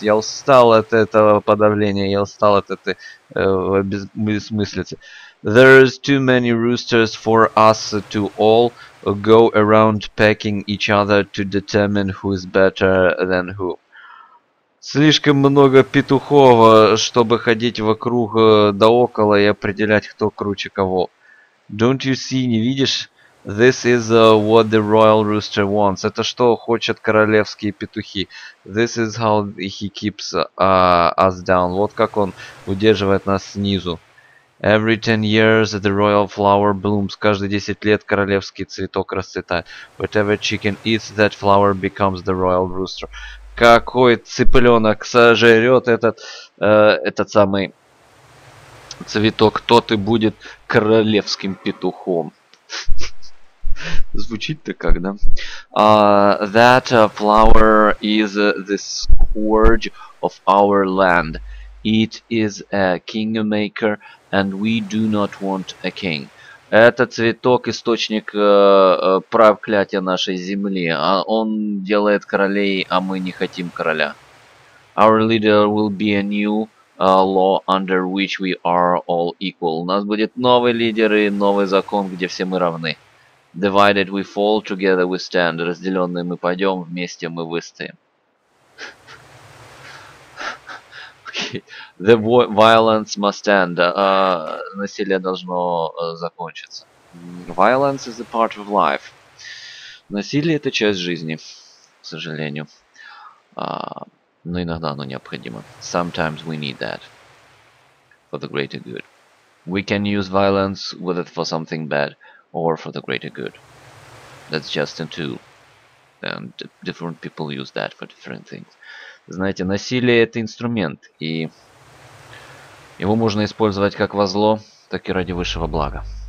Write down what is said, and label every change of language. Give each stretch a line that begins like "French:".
Russian: Я устал от этого подавления. Я устал от этой бессмыслицы.
English: There is too many roosters for us to all go around pecking each other to determine who is better than who.
Russian: Слишком много петухов, чтобы ходить вокруг да около и определять, кто круче кого.
English: Don't you see,
Russian: не видишь?
English: This is what the royal rooster wants.
Russian: Это что хочет королевские петухи.
English: This is how he keeps us down.
Russian: Вот как он удерживает нас снизу.
English: Every 10 years the royal flower blooms.
Russian: Каждые 10 лет королевский цветок расцветает.
English: Whatever chicken eats, that flower becomes the royal rooster.
Russian: Какой цыпленок сожрет этот самый цветок, тот и будет королевским петухом. Звучит-то как, да?
English: That flower is the scourge of our land. It is a kingmaker, and we do not want a king.
Russian: Это цветок – источник проклятия нашей земли. Он делает королей, а мы не хотим короля.
English: Our leader will be a new law under which we are all equal.
Russian: У нас будет новый лидер и новый закон, где все мы равны.
English: Divided we fall, together we stand.
Russian: Разделенные мы пойдем, вместе мы выстоим.
English: Okay. The violence must end.
Russian: Насилие должно закончиться.
English: Violence is a part of life.
Russian: Насилие — это часть жизни, к сожалению. Но иногда оно необходимо.
English: Sometimes we need that for the greater good. We can use violence with it for something bad. Or for the greater good. That's just a tool. And different people use that for different things.
Russian: Знаете, насилие — это инструмент. И его можно использовать как во зло, так и ради высшего блага.